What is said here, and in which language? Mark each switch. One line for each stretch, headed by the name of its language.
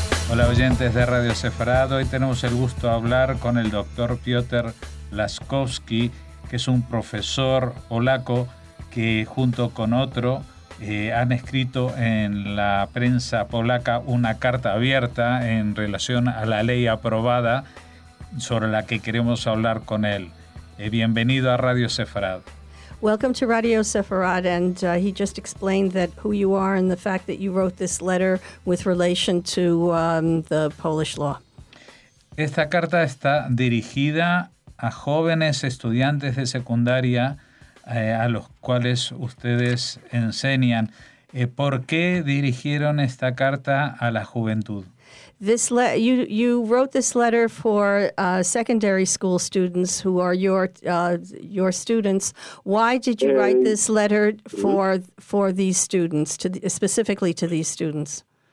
Spanish: Hola oyentes de Radio Sefarad, hoy tenemos el gusto de hablar con el doctor Piotr Laskowski, que es un profesor polaco que junto con otro han escrito en la prensa polaca una carta abierta en relación a la ley aprobada sobre la que queremos hablar con él. Bienvenido a Radio Sefarad.
English: Welcome to Radio Sefarad, and he just explained that who you are and the fact that you wrote this letter with relation to the Polish law.
Spanish: Esta carta está dirigida a jóvenes estudiantes de secundaria a los cuales ustedes enseñan. ¿Por qué dirigieron esta carta a la juventud?
English: You wrote this letter for secondary school students who are your students. Why did you write this letter for these students, specifically to these students?